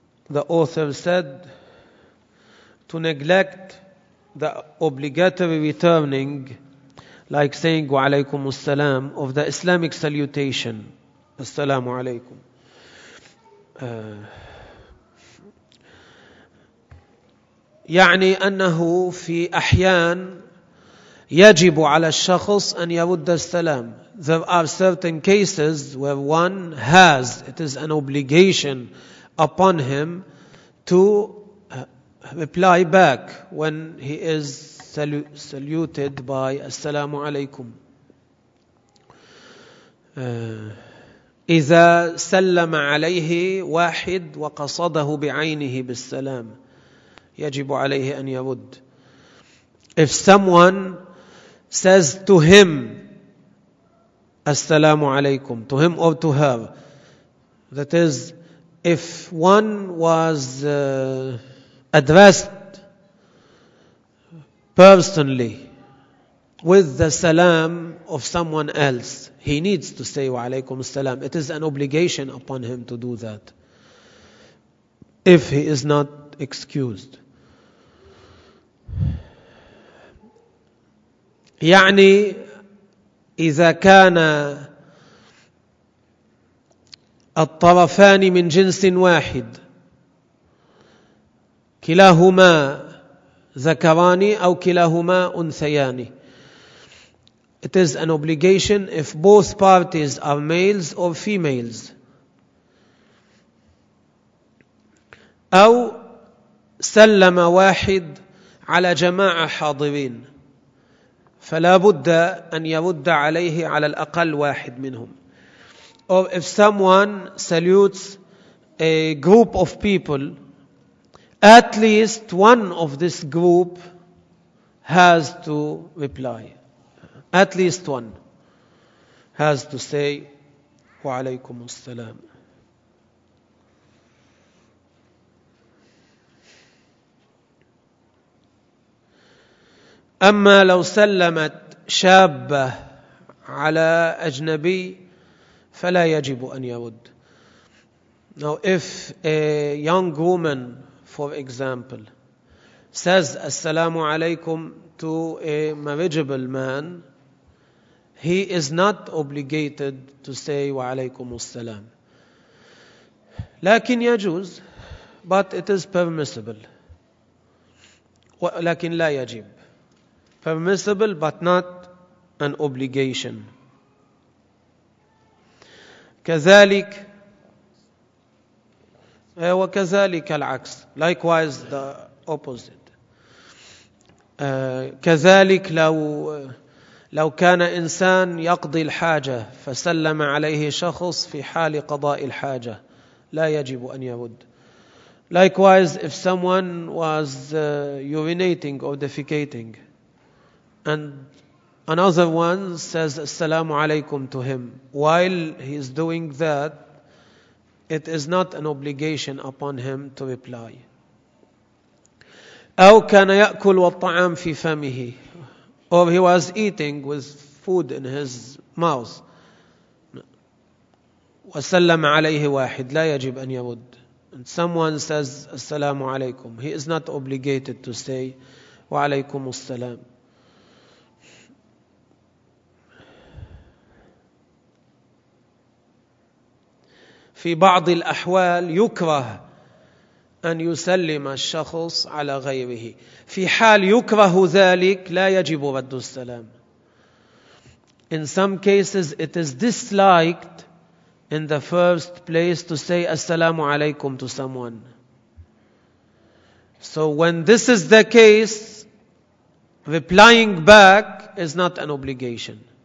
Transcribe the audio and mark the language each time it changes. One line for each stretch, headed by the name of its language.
English: The author said to neglect the obligatory returning, like saying wa alaykum as-salam, of the Islamic salutation, as-salamu alaykum.
Arabic: يعني أنه في أحيان يجب على الشخص أن يرد السلام.
English: There are certain cases where one has, it is an obligation upon him to reply back when he is saluted by assalamu alaykum.
Arabic: إذا سلم عليه واحد وقصده بعينه بالسلام يجب عليه أن يرد.
English: If someone says to him assalamu alaykum, to him or to her, that is, if one was addressed personally with the salam of someone else, he needs to say wa alaykum assalam. It is an obligation upon him to do that if he is not excused.
Arabic: يعني إذا كان الطرفان من جنس واحد كلاهما ذكران أو كلاهما أنثيان.
English: It is an obligation if both parties are males or females.
Arabic: أو سلم واحد على جماعة حاضرين فلا بد أن يرد عليه على الأقل واحد منهم.
English: Or if someone salutes a group of people, at least one of this group has to reply. At least one has to say wa alaykum as-salam.
Arabic: أما لو سلمت شابة على أجنبي فلا يجب أن يرد.
English: Now if a young woman, for example, says
Arabic: السلام عليكم
English: to a marriageable man, he is not obligated to say
Arabic: وعليكم السلام. لكن يجوز,
English: but it is permissible.
Arabic: لكن لا يجب.
English: Permissible but not an obligation.
Arabic: كذلك وكذلك العكس.
English: Likewise the opposite.
Arabic: كذلك لو كان إنسان يقضي الحاجة فسلم عليه شخص في حال قضاء الحاجة لا يجب أن يرد.
English: Likewise if someone was urinating or defecating and another one says assalamu alaykum to him while he is doing that, it is not an obligation upon him to reply.
Arabic: أو كان يأكل والطعام في فمه,
English: or he was eating with food in his mouth,
Arabic: وسلم عليه واحد, لا يجب أن يرد.
English: And someone says assalamu alaykum, he is not obligated to say
Arabic: وعليكم السلام. في بعض الأحوال يكره أن يسلم الشخص على غيره. في حال يكره ذلك لا يجب رد السلام.
English: In some cases it is disliked in the first place to say assalamu alaikum to someone. So when this is the case, replying back is not an obligation.